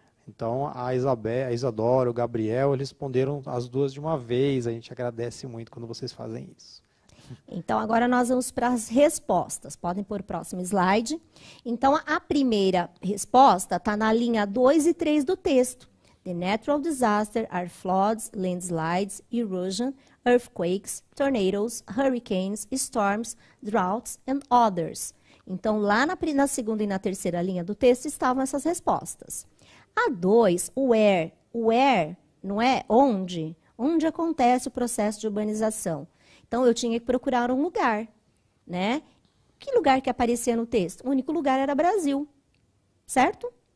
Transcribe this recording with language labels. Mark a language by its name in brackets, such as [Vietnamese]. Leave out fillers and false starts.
[Portuguese] Então, a Isabel, a Isadora, o Gabriel, eles responderam as duas de uma vez. A gente agradece muito quando vocês fazem isso. Então, agora nós vamos para as respostas. Podem pôr o próximo slide. Então, a primeira resposta está na linha 2 e 3 do texto. [English] The natural disasters are floods, landslides, erosion, earthquakes, tornadoes, hurricanes, storms, droughts and others. [Portuguese] Então, lá na segunda e na terceira linha do texto estavam essas respostas. A 2, where. Where, não é onde? Onde acontece o processo de urbanização? Então, eu tinha que procurar um lugar, né? Que lugar que aparecia no texto? O único lugar era Brasil, certo?